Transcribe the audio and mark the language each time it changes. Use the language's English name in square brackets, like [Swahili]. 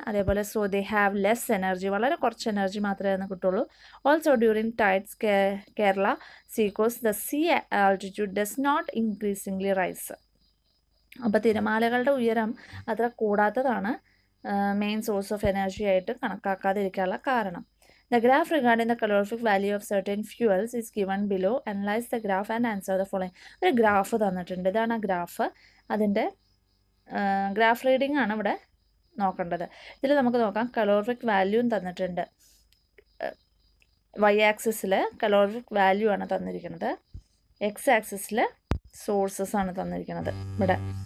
[Malayalam] അതേപോലെ so they have less energy, വളരെ കുറച്ച് എനർജി മാത്രമേ അതിന് കിട്ടുള്ളൂ. [English] Also during tides Kerala seacoast the sea altitude does not increasingly rise. [Malayalam] അപ്പോൾ തിരമാലകളുടെ ഉയരം അത്ര കൂടാത്തതാണ് മെയിൻ സോഴ്സ് ഓഫ് എനർജി ആയിട്ട് കണക്കാക്കാതിരിക്കാനുള്ള കാരണം. [English] The graph regarding the calorific value of certain fuels is given below. Analyze the graph and answer the following. [Malayalam] ഒരു graph തന്നിട്ടുണ്ട്, ഇതാണ് graph. അതിൻ്റെ graph reading ആണ് ഇവിടെ നോക്കേണ്ടത്. ഇതിൽ നമുക്ക് നോക്കാം കലോറിഫിക് വാല്യൂം തന്നിട്ടുണ്ട്, വൈ ആക്സിസിൽ കലോറിഫിക് വാല്യൂ ആണ് തന്നിരിക്കുന്നത്, എക്സ് ആക്സിസിൽ സോഴ്സസ് ആണ് തന്നിരിക്കുന്നത് ഇവിടെ.